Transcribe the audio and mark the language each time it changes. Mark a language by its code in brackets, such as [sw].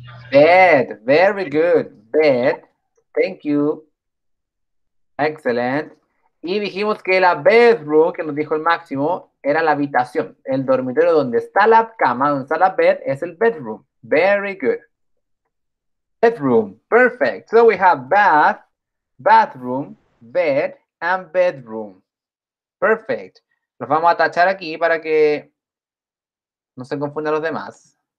[en] Bed. Very good. Bed. Thank you. Excellent. [es] Y dijimos que la bedroom, que nos dijo el Máximo, era la habitación. El dormitorio donde está la cama, donde está la bed, es el bedroom. [en] Very good. Bedroom. Perfect. So we have bath, bathroom, bed, and bedroom. Perfect. [es] Los vamos a tachar aquí para que no se confundan los demás.